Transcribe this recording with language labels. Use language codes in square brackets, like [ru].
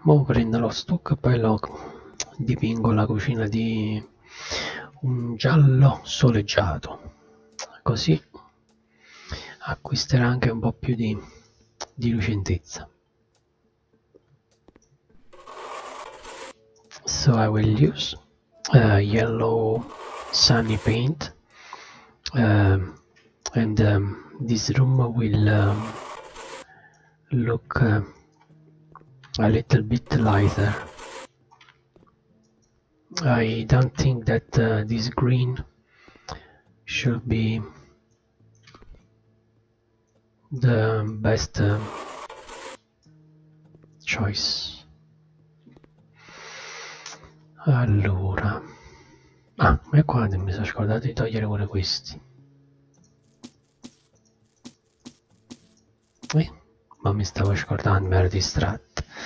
[it] Mo prendo lo stucco e poi lo dipingo la cucina di un giallo soleggiato. Così acquisterà anche un po' più di lucentezza. [en] So I will use yellow sunny paint and this room will look a little bit lighter. I don't think that this green should be the best choice. [it] Allora, ma qua mi sono scordato di togliere pure questi. Ma mi stavo scordando, mi ero distratto.